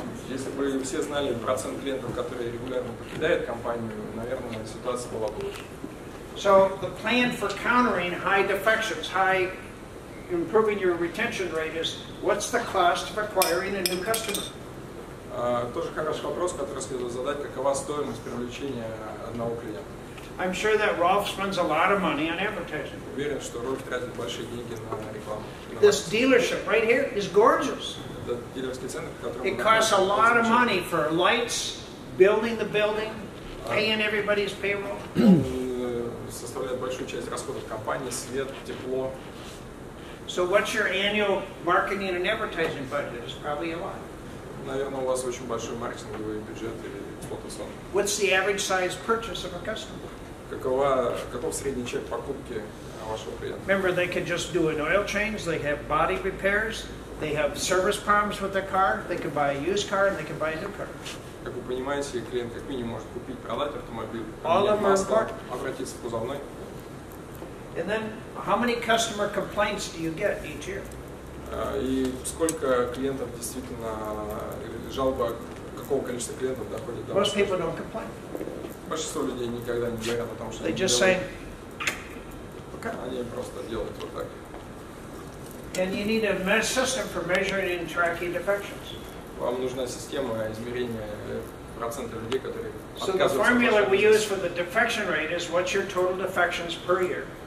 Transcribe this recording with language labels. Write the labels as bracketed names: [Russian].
[Russian] Если бы все знали процент клиентов, которые регулярно покидают компанию, наверное, ситуация была бы лучше. [English] So the plan for countering high defections, high... improving your retention rate is what's the cost of acquiring a new customer? [Russian] Тоже хороший вопрос, который следует задать, какова стоимость привлечения одного клиента. [English] I'm sure that Rolf spends a lot of money on advertising. [Russian] Уверен, что Рольф тратит большие деньги на рекламу. [English] This dealership right here is gorgeous. [Russian] Этот дилерский центр, который... [English] It costs a lot of money for lights, building the building, paying everybody's payroll. [Russian] Составляет большую часть расходов компании, свет, тепло. [English] So what's your annual marketing and advertising budget? It's probably a lot. [Russian] Наверное, у вас очень большой маркетинговый бюджет или фотосон. [English] What's the average size purchase of a customer? [Russian] Каков средний чек покупки вашего клиента? [English] Remember, they could just do an oil change, they have body repairs, they have service problems with their car, they could buy a used car, and they could buy a new car. [Russian] Как вы понимаете, клиент как минимум может купить, продать автомобиль, поменять масло, обратиться к кузовной. [English] And then, how many customer complaints do you get each year? [Russian] И сколько клиентов действительно жалоба, какого количества клиентов доходит до? [English] Most people don't complain. [Russian] Большинство людей никогда не говорят о том, что [English] they just say. [Russian] Они просто делают вот так. [English] And you need a system for measuring and tracking defections. [Russian] Вам нужна система измерения процента людей, которые отказываются. [English] So the formula we use for the defection rate is what's your total defections per year?